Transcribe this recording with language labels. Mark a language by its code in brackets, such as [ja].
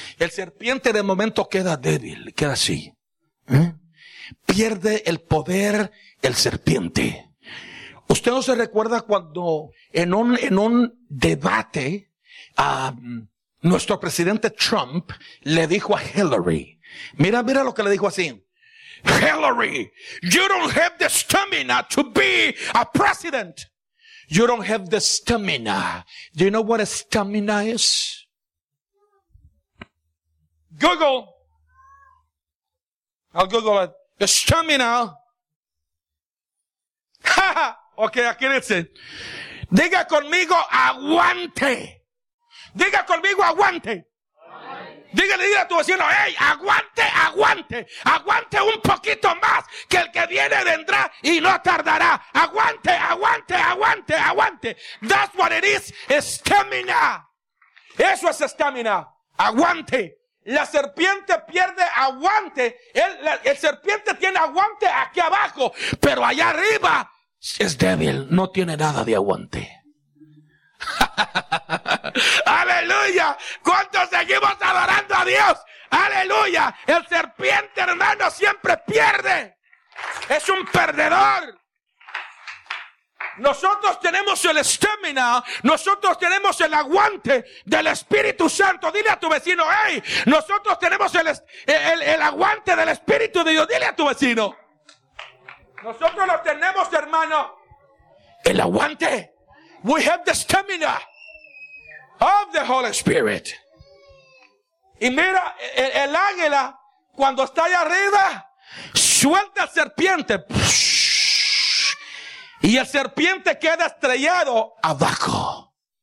[es] El serpiente de momento queda débil, queda así. Pierde el poder el serpiente. ¿Usted no se recuerda cuando en un debate nuestro presidente Trump le dijo a Hillary? Mira lo que le dijo así. [en] Hillary, you don't have the stamina to be a president. You don't have the stamina. Do you know what a stamina is? Google. I'll Google it. The stamina. [es] Ha ha. Okay, aquí dice. Diga conmigo, aguante. Diga conmigo, aguante. Dígale a tu vecino, hey, aguante, aguante. Aguante un poquito más, que el que viene vendrá y no tardará. Aguante, aguante, aguante, aguante. [en] That's what it is, stamina. [es] Eso es stamina. Aguante. La serpiente pierde aguante. El serpiente tiene aguante aquí abajo, pero allá arriba es débil, no tiene nada de aguante. Aleluya. ¿Cuántos seguimos adorando a Dios? Aleluya. El serpiente, hermano, siempre pierde. Es un perdedor. Nosotros tenemos el stamina, nosotros tenemos el aguante del Espíritu Santo. Dile a tu vecino, hey, nosotros tenemos el aguante del Espíritu de Dios. Dile a tu vecino. Nosotros lo tenemos, hermano. El aguante. [en] We have the stamina of the Holy Spirit. [es] Y mira, el águila, cuando está allá arriba, suelta al serpiente. Y el serpiente queda estrellado abajo.